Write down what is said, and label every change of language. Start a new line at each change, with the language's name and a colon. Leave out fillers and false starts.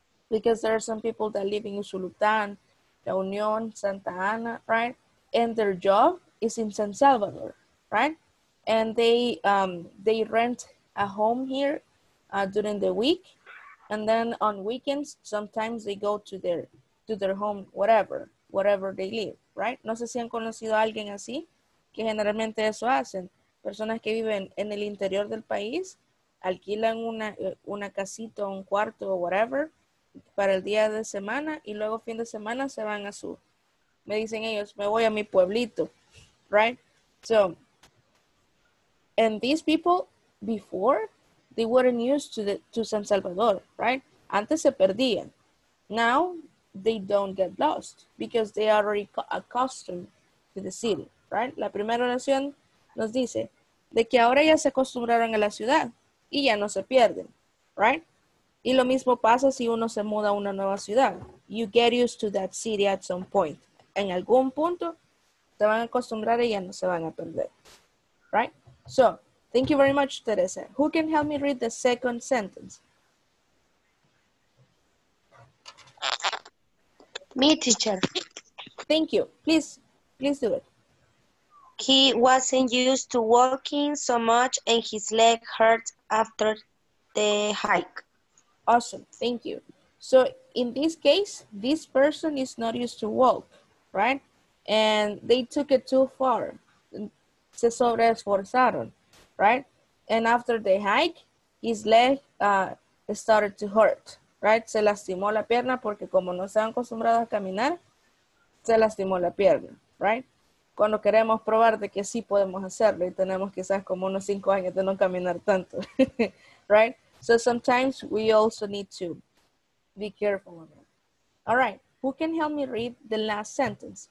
English: Because there are some people that live in Usulután, La Unión, Santa Ana, right? And their job is in San Salvador, right? And they rent a home here during the week. And then on weekends, sometimes they go to their home, wherever they live, right?
Spanish: No sé si han conocido a alguien así, que generalmente eso hacen. Personas que viven en el interior del país, alquilan una casita, un cuarto, o whatever, para el día de semana, y luego fin de semana se van a su, me dicen ellos, me voy a mi pueblito, right?
English: So, and these people, before, they weren't used to San Salvador, right?
Spanish: Antes se perdían.
English: Now, they don't get lost because they are already accustomed to the city, right?
Spanish: La primera oración nos dice de que ahora ya se acostumbraron a la ciudad y ya no se pierden, right? Y lo mismo pasa si uno se muda a una nueva ciudad.
English: You get used to that city at some point.
Spanish: En algún punto, se van a acostumbrar y ya no se van a perder, right?
English: So, thank you very much, Teresa. Who can help me read the second sentence? Me, teacher. Thank you. Please do it. He wasn't used to walking so much and his leg hurt after the hike. Awesome. Thank you. So in this case, this person is not used to walk, right? And they took it too far.
Spanish: Se sobreesforzaron.
English: Right? And after the hike, his leg started to hurt, right?
Spanish: Se lastimó la pierna porque como no se han acostumbrado a caminar, se lastimó la pierna, right? Cuando queremos probar de que sí podemos hacerlo y tenemos quizás como unos 5 años de no caminar tanto, right?
English: So sometimes we also need to be careful of it. All right, who can help me read the last sentence?